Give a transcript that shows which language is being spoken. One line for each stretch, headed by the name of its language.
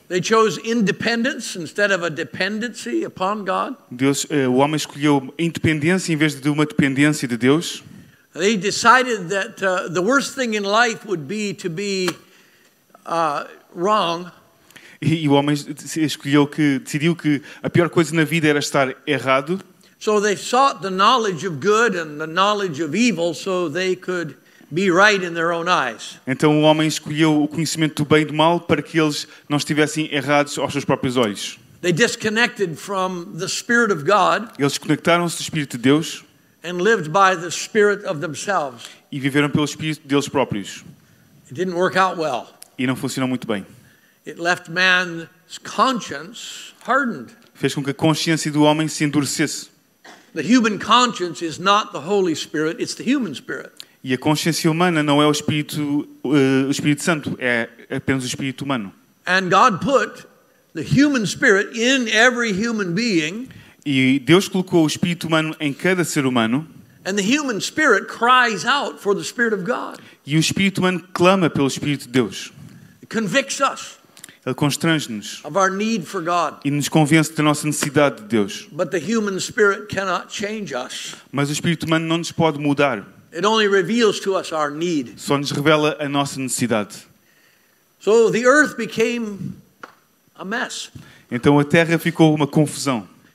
English: They chose independence instead of a dependency upon God.
Portuguese: O homem escolheu independência em vez de uma dependência de Deus.
English: They decided that the worst thing in life would be to be wrong.
Portuguese: E o homem decidiu que a pior coisa na vida era estar errado.
English: So they sought the knowledge of good and the knowledge of evil so they could be right in their own eyes.
Portuguese: Então o homem escolheu o conhecimento do bem e do mal para que eles não estivessem errados aos seus próprios olhos.
English: They disconnected from the Spirit of God.
Portuguese: Eles desconectaram-se do Espírito de Deus.
English: And lived by the Spirit of themselves.
Portuguese: E viveram pelo Espírito deles próprios.
English: It didn't work out well.
Portuguese: E não funcionou muito bem.
English: It left man's conscience hardened.
Portuguese: Fez com que a consciência do homem se endurecesse.
English: The human conscience is not the Holy Spirit, it's the human spirit.
Portuguese: E a consciência humana não é o Espírito Santo, é apenas o Espírito humano.
English: And God put the human spirit in every human being.
Portuguese: E Deus colocou o Espírito humano em cada ser humano.
English: And the human spirit cries out for the Spirit of God.
Portuguese: E o Espírito humano clama pelo Espírito de Deus.
English: It convicts us.
Portuguese: Ele constrange-nos
English: of our need for God.
Portuguese: E nos convence da nossa necessidade de Deus.
English: But the human spirit cannot change us.
Portuguese: Mas o Espírito humano não nos pode mudar.
English: It only reveals to us our need.
Portuguese: Só nos revela a nossa necessidade.
English: So the earth became a mess.
Portuguese: Então a terra ficou uma confusão.